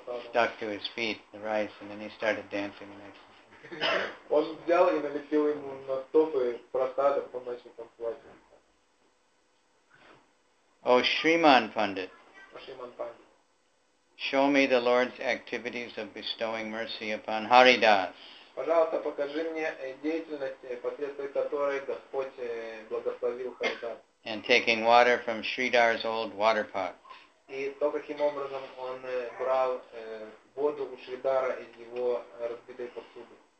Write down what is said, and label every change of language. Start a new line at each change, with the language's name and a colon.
English: Stuck to his feet, the rice, and then he started dancing the next
Russian: Он взял и налепил ему на стопы просадок, он начал там плакать.
English: О, Шриман Пандит.
Russian: О, Шриман Пандит.
English: Show me the Lord's activities of bestowing mercy upon Haridas.
Russian: Пожалуйста, покажи мне деятельность, посредством которой Господь благословил Харидаса.
English: And taking water from Шридар's old water pot.
Russian: И то, каким образом он брал воду у Шридара из его разбитой посуды.